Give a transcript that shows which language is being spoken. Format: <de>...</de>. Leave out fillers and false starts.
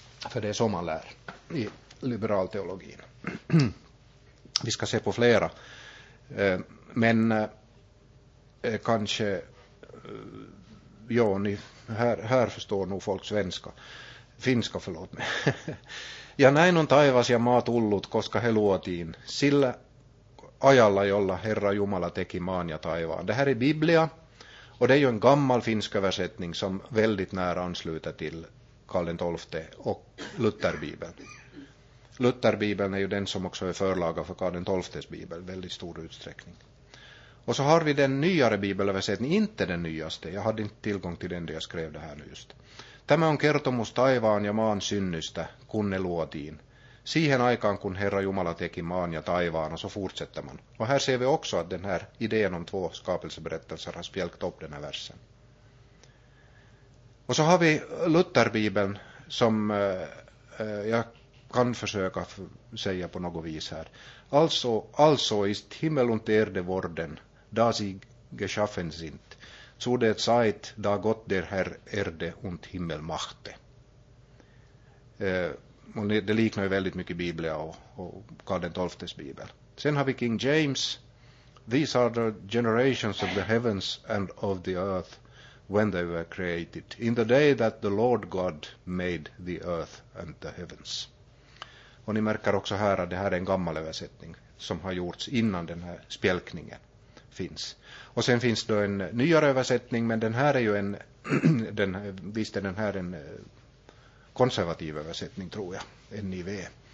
<sv>För det är så man lär i liberalteologin. Vi ska se på flera. Men kanske, ja, ni, här förstår nog folk svenska. Finska, förlåt mig.</sv> <fi>Ja näin on taivas ja maa tullut, koska he luotiin sillä ajalla, jolla Herra Jumala teki maan ja taivaan.</fi> <sv>Det här är Biblia, och det är ju en gammal finsk översättning som väldigt nära ansluter till Karl den 12 och Lutherbibeln. Lutherbibeln är ju den som också är förlaga för Karl den 12:s bibel, väldigt stor utsträckning. Och så har vi den nyare bibelöversättningen, inte den nyaste, jag hade inte tillgång till den där jag skrev det här nu just.</sv> <fi>Tämä on kertomus taivaan ja maan synnystä, kun ne luotiin. Siihen aikaan, kun Herra Jumala teki maan ja taivaan,</fi> <sv>och så fortsätter man. Och här ser vi också att den här idén om två skapelseberättelser har spjälkt upp den här versen. Och så har vi Lutherbibeln som jag kan försöka säga på något vis här. Alltså</sv> <de>ist himmel und erde worden, da sie geschaffen sind.</de> <sv>Så det sagt,</sv> <de>da gott der Herr erde und himmel machte.</de> <sv>Det liknar ju väldigt mycket Biblia och Karl den 12:s bibel. Sen har vi King James.</sv> <en>These are the generations of the heavens and of the earth when they were created. In the day that the Lord God made the earth and the heavens.</en> <sv>Och ni märker också här att det här är en gammal översättning som har gjorts innan den här spjälkningen finns. Och sen finns det en nyare översättning, men den här är ju en visst är den här en konservativ översättning, tror jag, NIV.</sv>